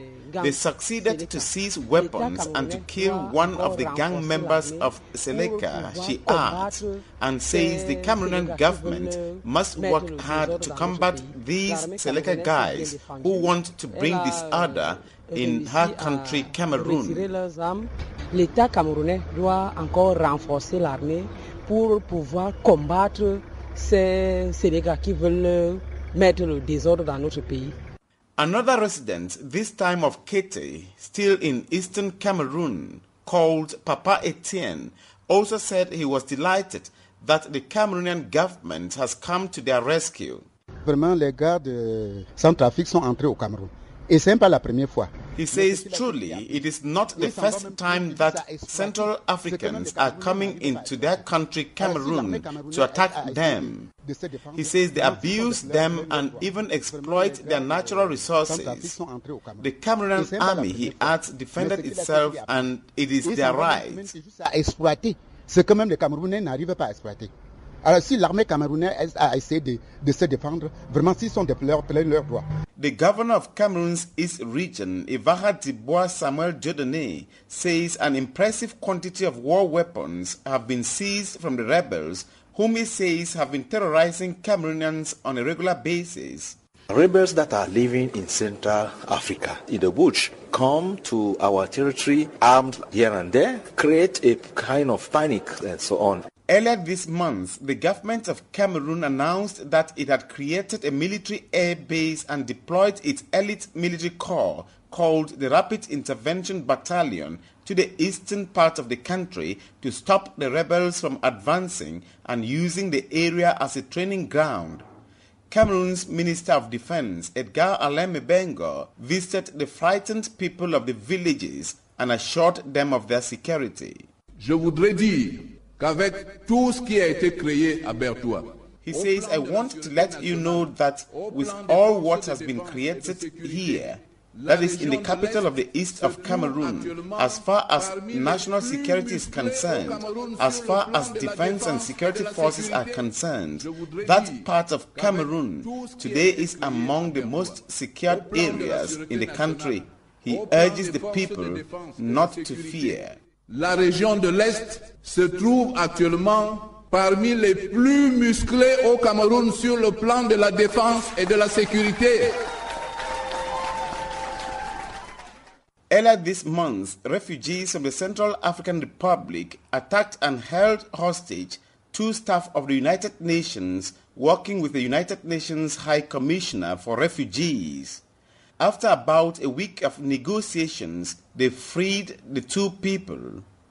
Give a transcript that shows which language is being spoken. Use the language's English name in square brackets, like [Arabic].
[English] They succeeded to seize weapons and to kill one of the gang members of Seleka, she adds, and says the Cameroonian government must work hard to combat these Seleka guys who want to bring disorder in her country, Cameroon. [French] L'État camerounais doit encore renforcer l'armée pour pouvoir combattre ces gars qui veulent mettre le désordre dans notre pays. [English] Another resident, this time of Kété, still in eastern Cameroon, called Papa Etienne, also said he was delighted that the Cameroonian government has come to their rescue. [French] Vraiment, les gars de Centrafrique sont entrés au Cameroun. Et c'est pas la première fois. [English] He says, truly, it is not the first time that Central Africans are coming into their country, Cameroon, to attack them. He says they abuse them and even exploit their natural resources. The Cameroonian army, he adds, defended itself and it is their right. [French] Exploiter ce que même les Camerounais n'arrivent pas à exploiter. Alors si l'armée camerounaise a essayé de se défendre, vraiment s'ils sont de leur droit. [English] The governor of Cameroon's East Region, Ivaha Dibois Samuel Jodone, says an impressive quantity of war weapons have been seized from the rebels, whom he says have been terrorizing Cameroonians on a regular basis. Rebels that are living in Central Africa, in the bush, come to our territory armed here and there, create a kind of panic and so on. Earlier this month, the government of Cameroon announced that it had created a military air base and deployed its elite military corps called the Rapid Intervention Battalion to the eastern part of the country to stop the rebels from advancing and using the area as a training ground. Cameroon's Minister of Defense, Edgar Aleme Bengo, visited the frightened people of the villages and assured them of their security. [French] Je voudrais dire qu'avec tout ce qui a été créé à Bertois. [English] He says, I want to let you know that with all what has been created here, that is in the capital of the east of Cameroon, as far as national security is concerned, as far as defense and security forces are concerned, that part of Cameroon today is among the most secured areas in the country. He urges the people not to fear. [French] La région de l'Est se trouve actuellement parmi les plus musclées au Cameroun sur le plan de la défense et de la sécurité. [English] Earlier this month, refugees from the Central African Republic attacked and held hostage two staff of the United Nations working with the United Nations High Commissioner for Refugees. After about a week of negotiations, they freed the two people.